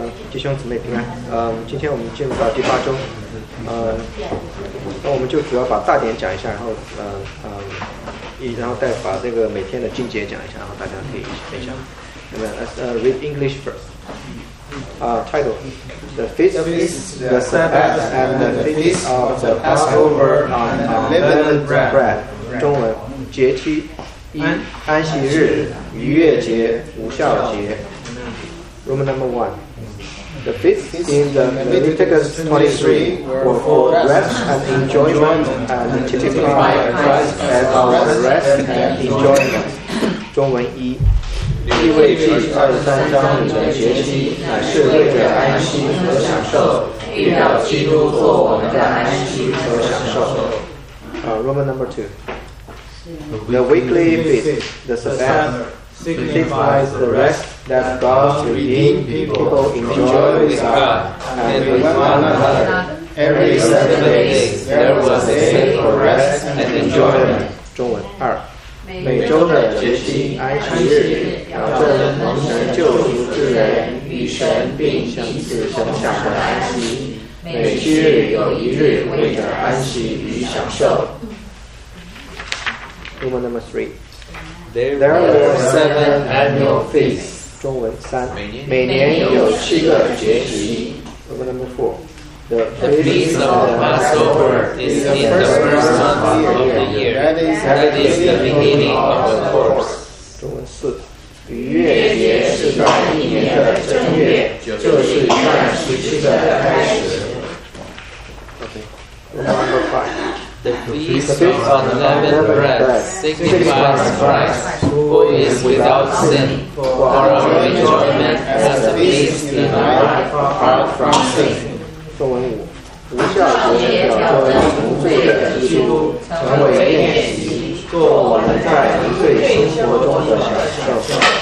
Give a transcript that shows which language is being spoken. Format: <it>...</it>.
<zh>弟兄姊妹平安，今天我们进入到第八周，那我们就主要把大点讲一下，然后再把那个每天的进阶讲一下，然后大家可以一起分享。那么</zh> <en>read English first. Title: The Feast of the Sabbath and the Feast of the Passover on Unleavened Bread.</en> <zh>中文：节期一安息日、逾越节、无酵节。</zh> <en>Roman number one. The feasts in the Leviticus 23 were for rest and enjoyment and typify Christ as our rest and enjoyment.</en> <zh>中文一，立位记23章里的节期乃是为了安息和享受，预表基督做我们的安息和享受。</zh> <en>Roman number two. The weekly feast, the Sabbath, signifies the rest. That God's redeemed people enjoy with God and with one another. Every 7 days there was a day for rest and enjoyment.</en> <zh>中文二，每周的节期安息日，要做蒙神救赎之人，与神并相似神像的安息。每七日有一日为着安息与享受。</zh> <en>Roman number three. There were 7 annual feasts.</en> <zh>中文三，每年有七个节期。</zh> <en>Roman number four, the feast of the Passover is in the first month of the year. That is the beginning of the course.</en> <zh>中文四，逾越节是在一年的正月，就是一段时期的开始。</zh> <en>Okay. Roman number five. The feast of unleavened bread signifies Christ, who is without sin, for our enjoyment as a feast in our life apart from sin.</en> <zh>中文五，无酵节表征无罪的基督成为宴席，做我们在无罪生活中的享受。</zh>